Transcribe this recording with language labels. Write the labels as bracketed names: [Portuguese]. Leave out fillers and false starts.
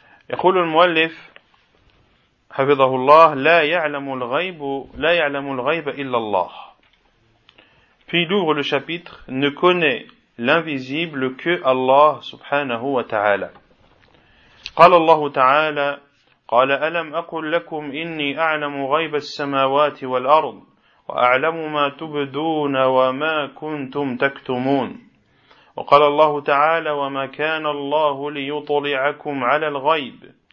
[Arabic] يقول المؤلف حفظه الله لا يعلم الغيب إلا الله. [French] Puis il ouvre le chapitre, ne connaît l'invisible que Allah [Arabic] سبحانه وتعالى. قال الله تعالى قال ألم أقل لكم إني أعلم غيب السماوات والأرض وأعلم ما تبدون وما كنتم تكتمون. وقال الله تعالى وما كان الله ليطلعكم على الغيب.